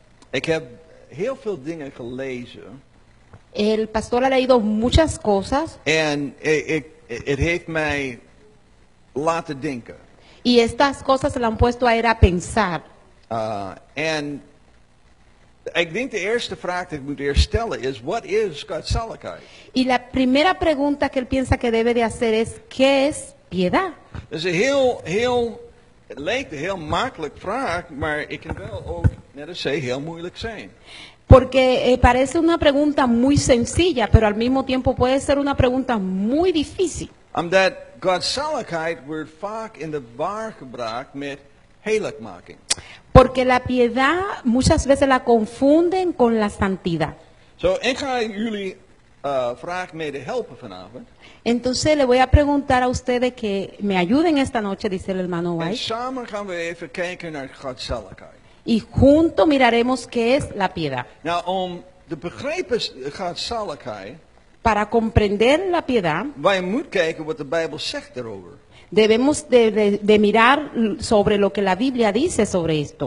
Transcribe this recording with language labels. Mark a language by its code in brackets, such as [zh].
[nl] Ik heb heel veel dingen gelezen. [es] El pastor ha leído muchas cosas. [nl] En het heeft mij laten denken. [es] Y estas cosas se le han puesto a él a pensar. [nl] En ik denk de eerste vraag die ik moet eerst stellen is, wat is godzaligheid? [es] Y la primera pregunta que él piensa que debe de hacer es, ¿qué es piedad? [nl] Dat is een heel, het lijkt een heel makkelijk vraag, maar ik kan wel ook, net als zei, heel moeilijk zijn. [es] Porque parece una pregunta muy sencilla, pero al mismo tiempo puede ser una pregunta muy difícil. [nl] Omdat godzaligheid wordt vaak in de war gebracht met heiligmaking. [es] Porque la piedad muchas veces la confunden con la santidad. [nl] So, ik ga jullie vragen mee te helpen vanavond. [es] Entonces le voy a preguntar a ustedes que me ayuden esta noche, dice el hermano White. [nl] En samen gaan we even kijken naar godzaligheid. [es] Y junto miraremos qué es la piedad. [nl] Nou, om te begrijpen godzaligheid. [es] Para comprender la piedad. [nl] Wij moeten kijken wat de Bijbel zegt erover. [es] Debemos de mirar sobre lo que la Biblia dice sobre esto.